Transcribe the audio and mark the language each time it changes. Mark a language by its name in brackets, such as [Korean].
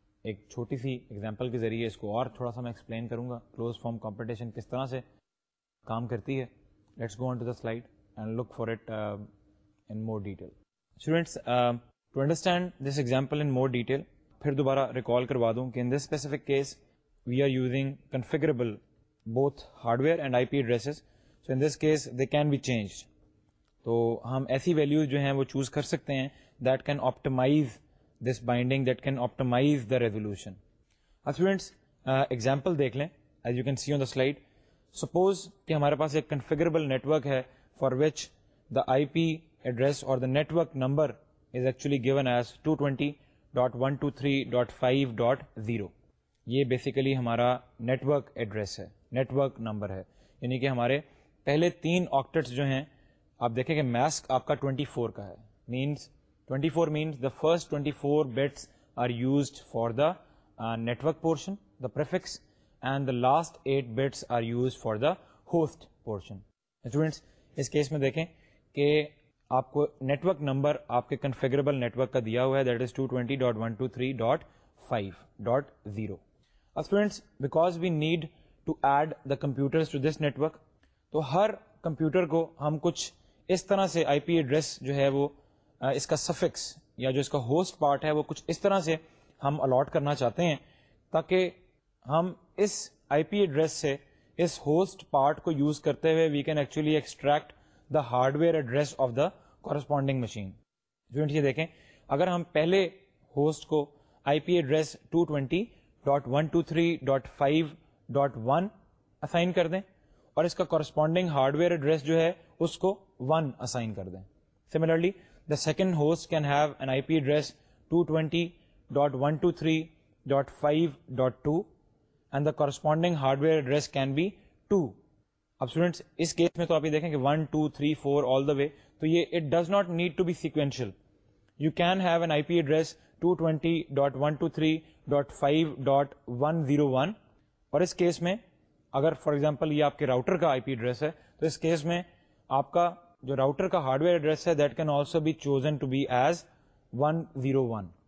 [Urdu] ایک چھوٹی سی ایگزامپل کے ذریعے اس کو اور تھوڑا سا میں ایکسپلین کروں گا کلوز فارم کمپٹیشن کس طرح سے کام کرتی ہے. [English] Let's go on to the slide and look for it in more detail. Students to understand this example in more detail [Urdu] پھر دوبارہ ریکال کروا دوں کہ [English] In this specific case we are using configurable both hardware and I P addresses. So in this case they can be changed. [Urdu] تو ہم ایسی values جو ہیں وہ چوز کر سکتے ہیں [English] That can optimise this binding that can optimise the resolution. [Urdu] Students example دیکھ لیں [English] As you can see on the slide. Suppose [Urdu] کہ ہمارے پاس ایک کنفیگریبل نیٹورک ہے [English] For which the I P address اور the network number is actually given as 220.123.5.0. [Urdu] یہ basically ہمارا network address ہے, نیٹورک نمبر ہے. یعنی کہ ہمارے پہلے تین آکٹٹس جو ہیں آپ دیکھیں کہ ماسک آپ کا 24 کا ہے. [English] Means 24 means the first 24 bits are used for the network portion the prefix and the last 8 bits are used for the host portion. [Urdu] Students اس case میں دیکھیں کہ آپ کو نیٹورک نمبر آپ کے کنفیگریبل نیٹورک کا دیا ہوا ہے, [English] That is 220.123.5.0. Students because we need to add the computers to this network, [Urdu] تو ہر کمپیوٹر کو ہم کچھ اس طرح سے آئی پی ایڈریس جو ہے وہ اس کا سفکس یا جو اس کا ہوسٹ پارٹ ہے وہ کچھ اس طرح سے ہم الاٹ کرنا چاہتے ہیں تاکہ ہم اس آئی پی ایڈریس سے اس ہوسٹ پارٹ کو یوز کرتے ہوئے [English] We can actually extract the hardware address of the corresponding machine. [Urdu] Students یہ دیکھیں اگر ہم پہلے ہوسٹ کو آئی پی ایڈریس 220.123.5.1 اسائن کر دیں اور اس کا کورسپونڈنگ ہارڈ ویئر ایڈریس جو ہے اس کو 1 اسائن کر دیں. [English] Similarly the second host can have an I P address 220.123.5.2 and the corresponding hardware address can be 2. [Urdu] اب اسٹوڈینٹس اس کیس میں تو آپ یہ دیکھیں کہ 1, 2, 3, 4 آل دا وے, تو یہ [English] It does not need to be sequential. You can have an I P address 220.123.5.101 [Urdu] اور اس کیس میں اگر فار ایگزامپل یہ آپ کے راؤٹر کا آئی پی ایڈریس ہے تو اس کیس میں آپ کا جو راؤٹر کا ہارڈ ویئر ایڈریس ہے [English] That can also be chosen to be as 101.